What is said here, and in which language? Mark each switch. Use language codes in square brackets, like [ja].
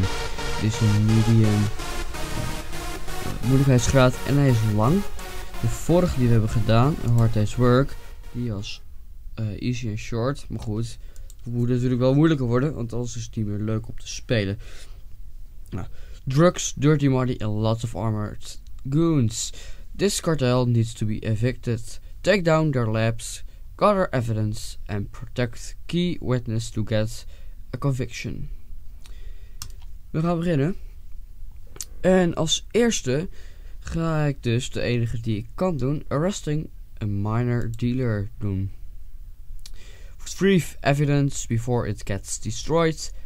[nl] Het is een medium moeilijkheidsgraad en hij is lang. De vorige die we hebben gedaan, Hard Day's Work, die was easy en short. Maar goed, het moet natuurlijk wel moeilijker worden, want anders is het niet meer leuk om te spelen. [en] Drugs, dirty money and lots of armored goons. This cartel needs to be evicted. Take down their labs, gather evidence and protect key witness to get a conviction. [nl] We gaan beginnen. En als eerste ga ik dus, de enige die ik kan doen, [en] arresting a minor dealer [nl] doen. [en] Retrieve evidence before it gets destroyed.